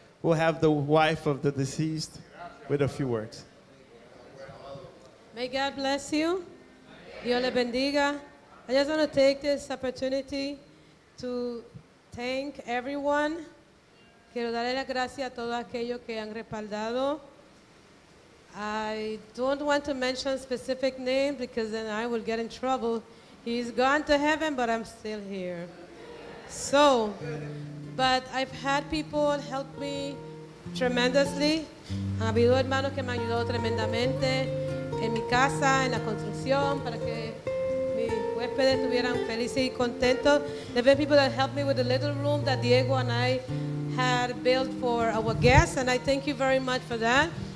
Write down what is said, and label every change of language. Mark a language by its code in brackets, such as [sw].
[en] We'll have the wife of the deceased with a few words. May God bless you. [es] Dios le bendiga. [en] I just want to take this opportunity to thank everyone. [es] Quiero darle las gracias a todos aquellos que han respaldado. [en] I don't want to mention specific names because then I will get in trouble. He's gone to heaven, but I'm still here. So, but I've had people help me tremendously. [es] Ha habido hermanos que me han ayudado tremendamente. En mi casa, en la construcción, para que mis huéspedes estuvieran felices y contentos. [en] There were people that helped me with the little room that Diego and I had built for our guests, and I thank you very much for that.